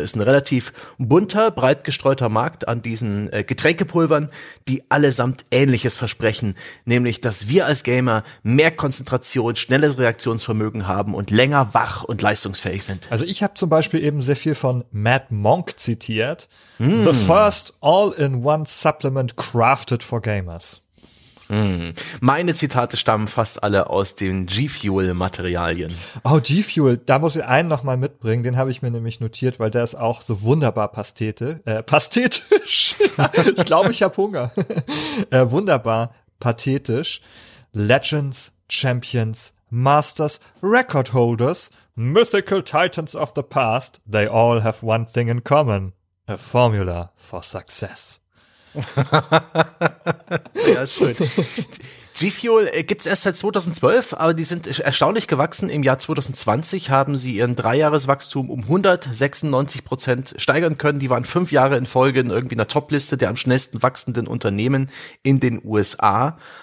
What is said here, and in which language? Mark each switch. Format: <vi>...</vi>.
<de>Es ist ein relativ bunter, breit gestreuter Markt an diesen Getränkepulvern, die allesamt ähnliches Versprechen, nämlich, dass wir als Gamer mehr Konzentration, schnelles Reaktionsvermögen haben und länger wach und leistungsfähig sind. Also ich habe zum Beispiel eben sehr viel von Matt Monk zitiert. Mm.</de> <en>The first all-in-one supplement crafted for gamers. Mm.</en> <de>Meine Zitate stammen fast alle aus den G-Fuel-Materialien. Oh, G-Fuel, da muss ich einen nochmal mitbringen, den habe ich mir nämlich notiert, weil der ist auch so wunderbar pathetisch. Ich glaube, ich habe Hunger. Wunderbar pathetisch.</de> <en>Legends, Champions, Masters, Record Holders, Mythical Titans of the Past, they all have one thing in common, a formula for success.</en> <de>Ja, schön. G-Fuel gibt's erst seit 2012, aber die sind erstaunlich gewachsen. Im Jahr 2020 haben sie ihren Dreijahreswachstum um 196% steigern können. Die waren 5 Jahre in Folge in irgendwie einer Top-Liste der am schnellsten wachsenden Unternehmen in den USA.</de>